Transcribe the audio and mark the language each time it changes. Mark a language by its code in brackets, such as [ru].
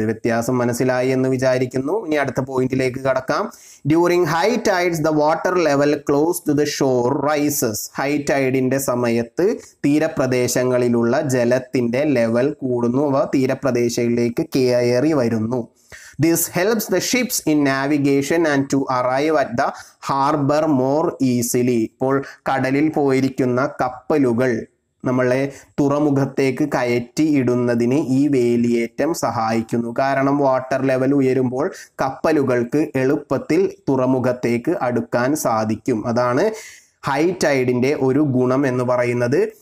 [ml] വ്യത്യാസം മനസ്സിലായി എന്ന് വിചാരിക്കുന്നു. ഇനി അടുത്ത പോയിന്റിലേക്ക് കടക്കാം. [en] During high tides the water level close to the shore rises. [ml] High ടൈഡിന്റെ സമയത്ത് തീരപ്രദേശങ്ങളിലുള്ള ജലത്തിന്റെ ലെവൽ കൂടുന്നു, അവ തീരപ്രദേശങ്ങളിലേക്ക് കയറി വരുന്നു. [en] This helps the ships in navigation and to arrive at the harbor more easily. [ml] ഇപ്പോൾ കടലിൽ പോയിരിക്കുന്ന കപ്പലുകൾ നമ്മളെ തുറമുഖത്തേക്ക് കയറ്റി ഇടുന്നതിന് ഈ വേലിയേറ്റം സഹായിക്കുന്നു. കാരണം വാട്ടർ ലെവൽ ഉയരുമ്പോൾ കപ്പലുകൾക്ക് എളുപ്പത്തിൽ തുറമുഖത്തേക്ക് അടുക്കാൻ സാധിക്കും. അതാണ് ഹൈ ടൈഡിൻ്റെ ഒരു ഗുണം എന്ന് പറയുന്നത്.